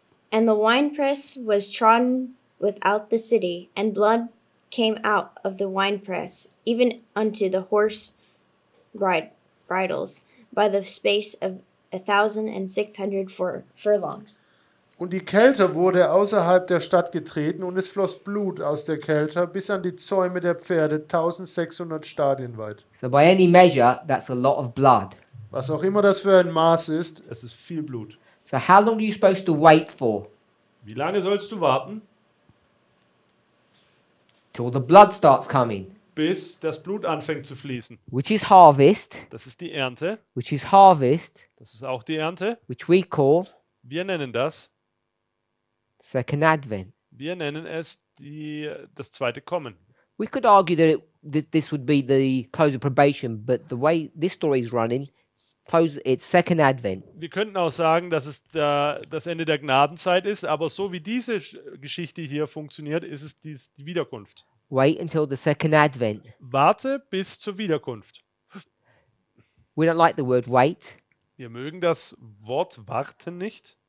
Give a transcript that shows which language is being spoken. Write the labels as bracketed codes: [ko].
[en] And the winepress was trodden without the city, and blood came out of the winepress, even unto the horse bridles, by the space of 1,600 furlongs. [de] Und die Kelter wurde außerhalb der Stadt getreten, und es floss Blut aus der Kelter bis an die Zäume der Pferde 1600 Stadien weit. [en] So by any measure, that's a lot of blood. [de] Was auch immer das für ein Maß ist, es ist viel Blut. [en] So how long are you supposed to wait for? [de] Wie lange sollst du warten? [en] Till the blood starts coming. [de] Bis das Blut anfängt zu fließen. [en] Which is harvest. [de] Das ist die Ernte. [en] Which is harvest. [de] Das ist auch die Ernte. [en] Which we call. [de] Wir nennen das. [en] Second Advent. [de] Wir nennen es das zweite Kommen. [en] We could argue that this would be the close of probation, but the way this story is running, it's Second Advent. [de] Wir könnten auch sagen, dass es das Ende der Gnadenzeit ist, aber so wie diese Geschichte hier funktioniert, ist es die Wiederkunft. [en] Wait until the Second Advent. [de] Warte bis zur Wiederkunft. [en] We don't like the word wait. [de] Wir mögen das Wort warten nicht.